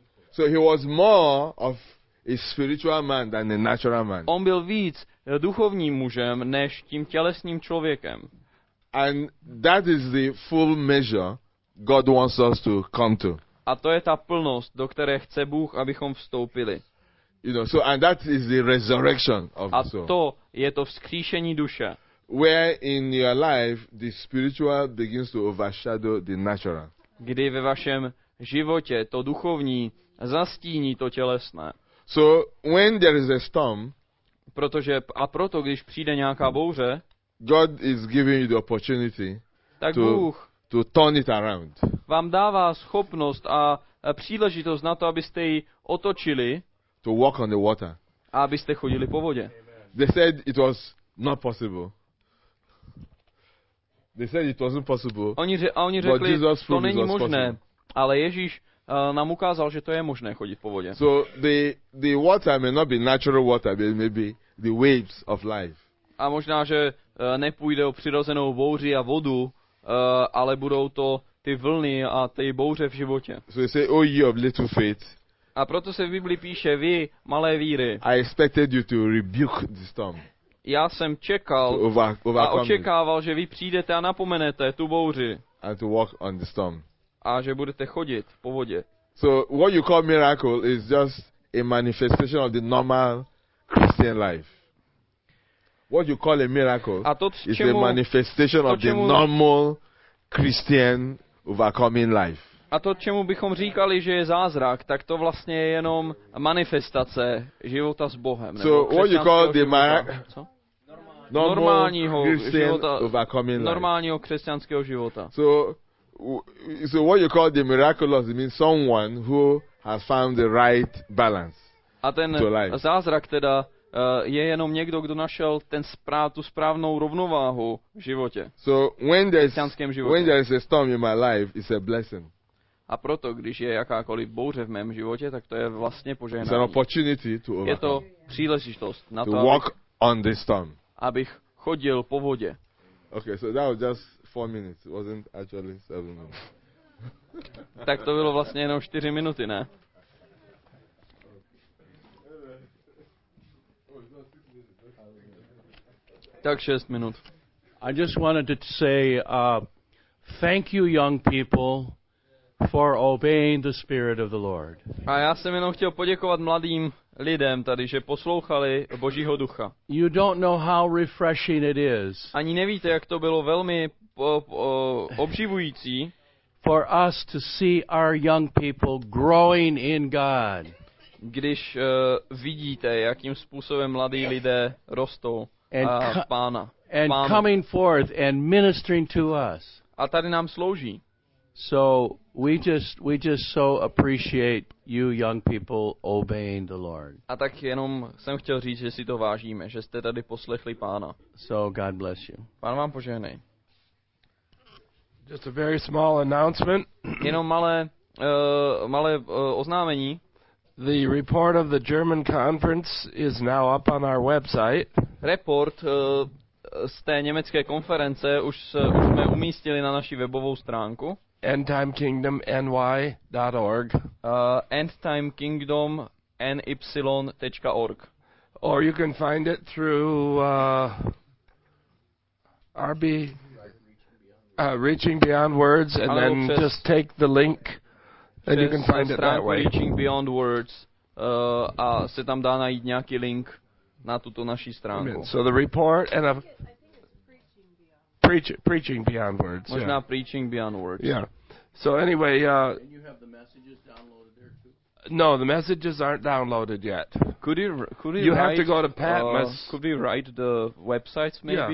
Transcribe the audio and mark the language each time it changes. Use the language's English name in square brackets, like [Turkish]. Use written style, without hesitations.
[English] So he was more of a spiritual man than a natural man. [Czech] On byl víc duchovním mužem než tím tělesným člověkem. [English] And that is the full measure God wants us to come to. [Czech] A to je ta plnost, do které chce Bůh, abychom vstoupili. [English] You know, so and that is the resurrection of the soul. [Czech] A to je to vzkříšení duše. [English] Where in your life the spiritual begins to overshadow the natural. [Czech] Kdy ve vašem životě to duchovní zastíní to tělesné. [English] So when there is a storm, [Czech] proto když přijde nějaká bouře, [English] God is giving you the opportunity to turn it around. [Czech] Vám dává schopnost a příležitost na to, abyste ji otočili. [English] To walk on the water. [Czech] A abyste chodili po vodě. [English] Amen. They said it was not possible. They said it wasn't possible. [Czech] Oni řekli, to není možné. Ale Ježíš nám ukázal, že to je možné chodit po vodě. [English] So the water may not be natural water, but maybe the waves of life. [Czech] A možná, že nepůjde o přirozenou bouři a vodu, ale budou to ty vlny a ty bouře v životě. [English] So you say, oh, you of little faith. [Czech] A proto se v Biblii píše, vy malé víry. [English] I expected you to rebuke the storm. [Czech] Já jsem čekal a očekával, že vy přijdete a napomenete tu bouři. [English] And to walk on the storm. [Czech] A že budete chodit po vodě. [English] So what you call miracle is just a manifestation of the normal Christian life. What you call a miracle is a manifestation of the normal Christian overcoming life. [Czech] A to, čemu bychom říkali, že je zázrak, tak to vlastně je jenom manifestace života s Bohem. [English] So what you call the [Czech] normálního života, normálního křesťanského života. [English] So what you call the miraculous means someone who has found the right balance. [Czech] A ten zázrak teda je jenom někdo, kdo našel tu správnou rovnováhu v životě. [English] So when there is a storm in my life, it's a blessing. [Czech] A proto, když je jakákoliv bouře v mém životě, tak to je vlastně požehnání. [English] It's an opportunity to overcome. [Czech] Je to příležitost na to, [English] walk on the storm. [Czech] Abych chodil po vodě. [English] Okay, so that was just 4 minutes. It wasn't actually 7 minutes. [Czech] Tak to bylo vlastně jenom 4 minuty, ne? Tak 6 minut. [English] I just wanted to say thank you, young people, for obeying the spirit of the Lord. [Czech] A já jsem jenom chtěl poděkovat mladým lidem tady, že poslouchali Božího ducha. [English] You don't know how refreshing it is. [Czech] Ani nevíte, jak to bylo velmi obživující. [English] For us to see our young people growing in God. [Czech] Když vidíte, jakým způsobem mladí lidé rostou. [English] And coming forth and ministering to us. [Czech] A tady nám slouží. [English] So we just so appreciate you young people obeying the Lord. [Czech] A tak jenom jsem chtěl říct, že si to vážíme, že jste tady poslechli Pána. [English] So God bless you. [Czech] Pán vám požehnej. [English] Just a very small announcement. [Czech] Jenom malé oznámení. [English] The report of the German conference is now up on our website. [Czech] Report z té německé konference už jsme umístili na naší webovou stránku. [English] endtimekingdomny.org endtimekingdomny.org or you can find it through RB Reaching Beyond Words and then just take the link and you can find it that way. [Czech] Reaching Beyond Words a se tam dá najít nějaký link na tuto naši stránku. [English] So the report and a preaching beyond words. [Czech] Možná yeah. [English] Preaching beyond words. Yeah. So anyway, and you have the messages downloaded there too? No, the messages aren't downloaded yet. Could you have to go to Patmos. Could we write the websites maybe